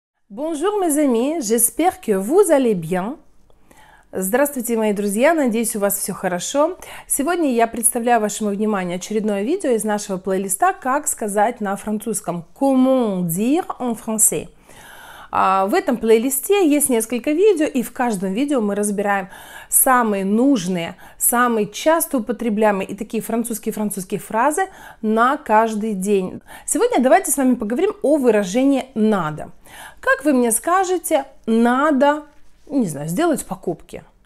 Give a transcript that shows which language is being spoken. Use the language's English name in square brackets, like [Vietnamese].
[French] Bonjour mes amis, j'espère que vous allez bien. [Russian] Здравствуйте, мои друзья, надеюсь, у вас все хорошо. Сегодня я представляю вашему вниманию очередное видео из нашего плейлиста «Как сказать на французском». [French] Comment dire en français? [Russian] В этом плейлисте есть несколько видео, и в каждом видео мы разбираем самые нужные, самые часто употребляемые и такие французские-французские фразы на каждый день. Сегодня давайте с вами поговорим о выражении «надо». Как вы мне скажете, надо, не знаю, сделать покупки?